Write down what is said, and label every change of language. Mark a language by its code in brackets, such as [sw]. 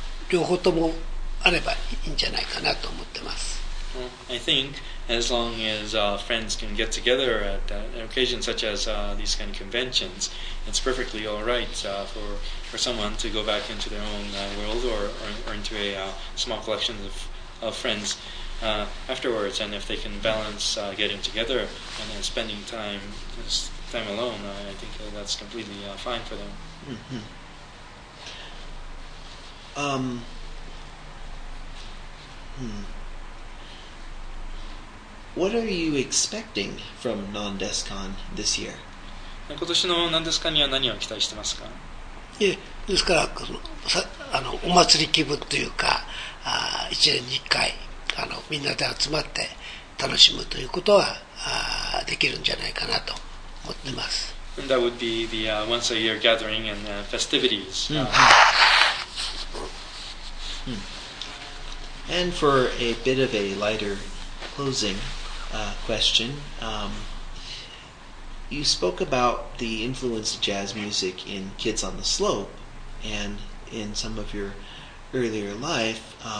[ja] 両方ともあればいいんじゃないかなと思ってます。 [en] Well, I think as long as friends can get together at occasions such as these kind of conventions, it's perfectly alright for someone to go back into their own world or into a small collection of friends afterwards, and if they can balance getting together and then spending time alone, I think that's completely fine for them. Mm-hmm. What are you expecting from NONDESCON this year? [ja] 今年の NONDESCON には何を期待してますか？いえ、ですからお祭り気分というか、一年に一回みんなで集まって楽しむということはできるんじゃないかなと思ってます。 [en] And that would be the once a year gathering and festivities. And for a bit of a lighter closing question, you spoke about the influence of jazz music in Kids on the Slope and in some of your earlier life.